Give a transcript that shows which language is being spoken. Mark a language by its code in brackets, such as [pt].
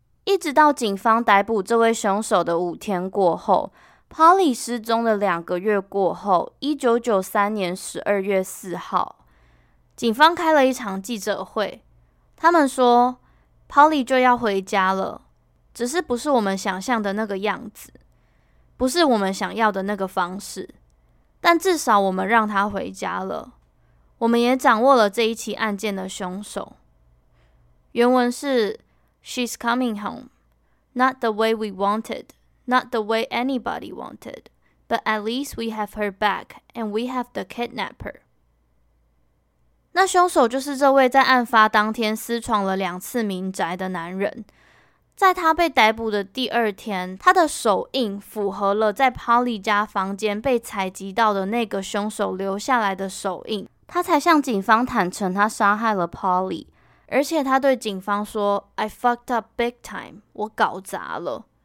[zh] 一直到警方逮捕这位凶手的5天过后， Polly 失踪的2个月过后，1993年12月4号，警方开了一场记者会，他们说 Polly 就要回家了，只是不是我们想象的那个样子，不是我们想要的那个方式，但至少我们让他回家了，我们也掌握了这一起案件的凶手。原文是 [en] She's coming home. Not the way we wanted. Not the way anybody wanted. But at least we have her back and we have the kidnapper. [zh] 那凶手就是这位在案发当天私闯了2次民宅的男人。在他被逮捕的第2天，他的手印符合了在 Polly 家房间被采集到的那个凶手留下来的手印。他才向警方坦诚他杀害了 Polly。而且他对警方说 [en] I fucked up big time， [zh] 我搞砸了。